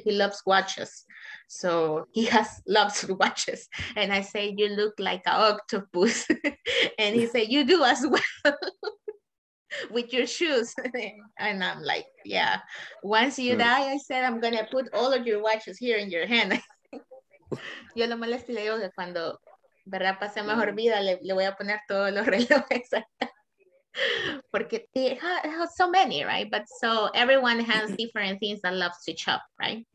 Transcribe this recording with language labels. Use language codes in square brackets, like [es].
[en] He loves watches. So he loves watches. And I say, you look like an octopus. And he say, you do as well. With your shoes. And I'm like, yeah, once you die, I said, I'm gonna put all of your watches here in your hand. [es] Yo lo molesto y le digo que cuando, verdad, pase mejor vida, le voy a poner todos los relojes. Porque [en] they have so many, right? But so everyone has different things that loves to shop, right?